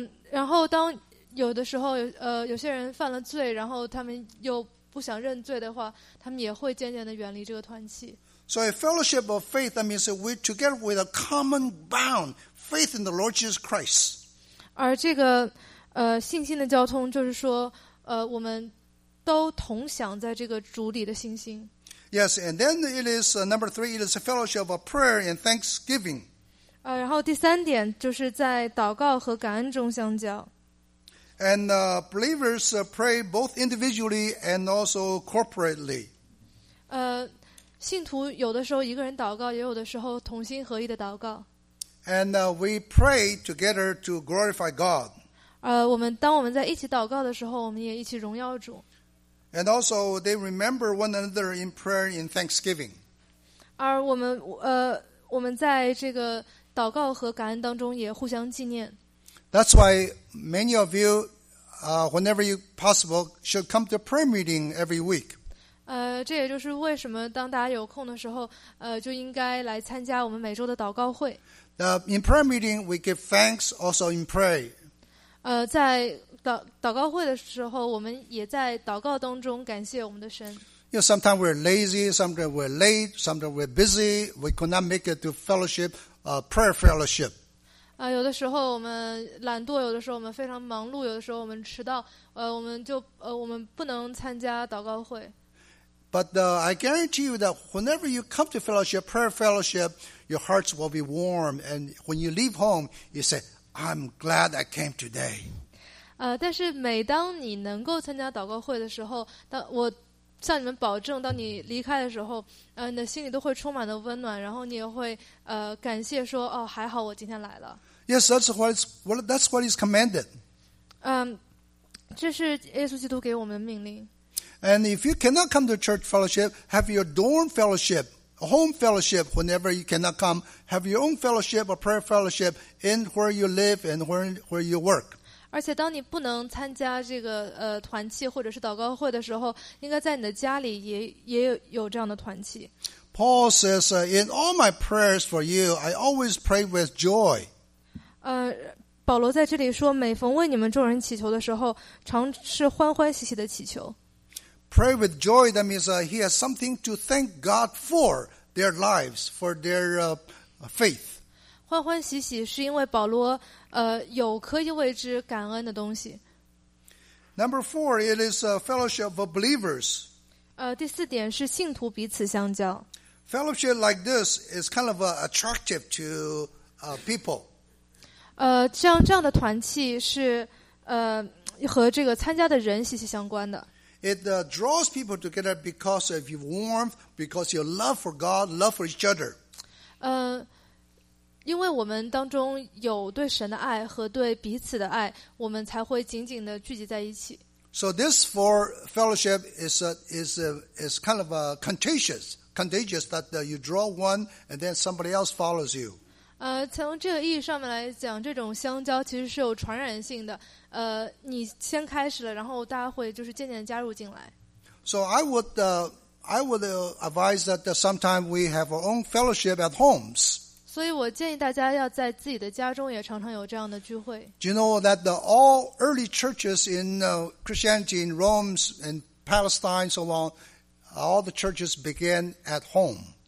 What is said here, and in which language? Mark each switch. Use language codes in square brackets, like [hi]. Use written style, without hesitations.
[zh] 然后当有的时候，有些人犯了罪，然后他们又不想认罪的话，他们也会渐渐的远离这个团契。 [en] So a fellowship of faith, that means that we're together with a common bond, faith in the Lord Jesus Christ. [zh] 而这个，信心的交通就是说，我们都同享在这个主里的信心。 [en] Yes, and then it is, number three, it is a fellowship of prayer and thanksgiving. [zh] 然后第三点就是在祷告和感恩中相交。 [en] And believers pray both individually and also corporately. [zh] 信徒有的时候一个人祷告，也有的时候同心合意的祷告。 [en] And we pray together to glorify God. [zh] 当我们在一起祷告的时候，我们也一起荣耀主。 [en] And also they remember one another in prayer in thanksgiving. [zh] 而我们在这个祷告和感恩当中也互相纪念。 [en] That's why many of you, whenever you possible, should come to prayer meeting every week. [zh] 这也就是为什么当大家有空的时候，就应该来参加我们每周的祷告会。 [en] In prayer meeting, we give thanks also in prayer. [zh] 在祷告会的时候，我们也在祷告当中感谢我们的神。 [en] You know, sometimes we're lazy, sometimes we're late, sometimes we're busy. We could not make it to fellowship, prayer fellowship. [zh] 有的时候我们懒惰，有的时候我们非常忙碌，有的时候我们迟到，我们不能参加祷告会。 [en] But I guarantee you that whenever you come to fellowship, prayer fellowship, your hearts will be warm, and when you leave home, you say, "I'm glad I came today." [zh] 但是每当你能够参加祷告会的时候，我向你们保证，当你离开的时候，你的心里都会充满了温暖，然后你也会感谢说，哦，还好我今天来了。 [en] Yes, that's what is commanded. [zh] 这是耶稣基督给我们的命令。 [en] And if you cannot come to church fellowship, have your dorm fellowship, home fellowship. Whenever you cannot come, have your own fellowship, a prayer fellowship in where you live and where you work. [zh] 而且当你不能参加这个团契或者是祷告会的时候，应该在你的家里也有这样的团契。 [en] Paul says, "In all my prayers for you, I always pray with joy." [zh] 保罗在这里说，每逢为你们众人祈求的时候，常是欢欢喜喜的祈求。 [en] Pray with joy, that means he has something to thank God for their lives, for their faith. [zh] 欢欢喜喜是因为保罗有可以为之感恩的东西。 [en] Number four, it is a fellowship of believers. [zh] 第四点是信徒彼此相交。 [en] Fellowship like this is kind of attractive to people. [zh] 像这样的团契是和这个参加的人息息相关的。 [en] It draws people together because of your warmth, because of your love for God, love for each other. [zh] 因为我们当中有对神的爱和对彼此的爱，我们才会紧紧的聚集在一起。 [en] So this for fellowship is kind of a contagious that you draw one and then somebody else follows you. [zh] 从这个意义上面来讲，这种相交其实是有传染性的。你先开始了，然后大家会就是渐渐加入进来。 [en] So I would advise that sometime we have our own fellowship at homes. [zh] 所以我建议大家要在自己的家中也常常有这样的聚会。 [en] Do you know that all early churches in Christianity in Rome and Palestine so on, all the churches began at home.